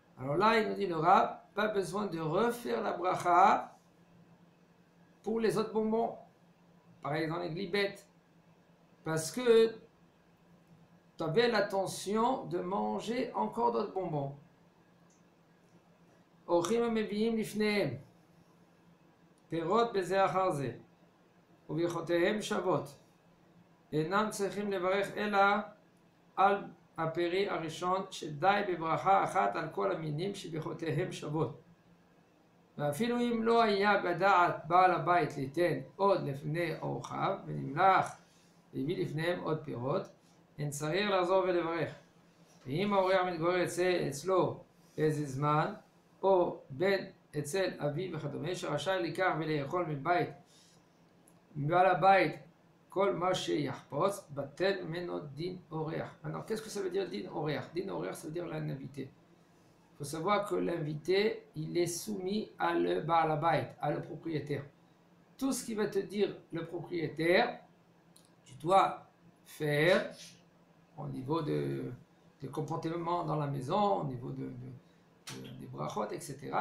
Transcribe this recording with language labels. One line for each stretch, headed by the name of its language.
French: Alors là, il nous dit le rab, pas besoin de refaire la bracha pour les autres bonbons, pareil dans les glibettes, parce que tu avais l'intention de manger encore d'autres bonbons.
Hebrew: Ochim mebiim lifneim. פירות בזה אחר זה וביכותיהם שוות אינם צריכים לברך אלא על הפרי הראשון שדי בברכה אחת על כל המינים שביכותיהם שוות ואפילו אם לא היה בדעת בעל הבית ליתן עוד לפני אורחיו ונמלח והביא לפניהם עוד פירות אין צריך לעזור ולברך ואם האורח מתגורר אצלו איזה זמן או בין אצל אביו וכדומה, שרשאי לקח ולאכול מבית, מבעל הבית, כל מה שיחפוץ, בטל ממנו דין אורח.
French: Alors, qu'est-ce que ça veut dire
Hebrew: דין אורח? דין אורח,
French: ça veut dire l'invité. Faut savoir que l'invité, il est soumis à le בעל הבית, à le propriétaire. Tout ce qui va te dire le propriétaire, tu dois faire au niveau de comportement dans la maison, au niveau des brachot, etc.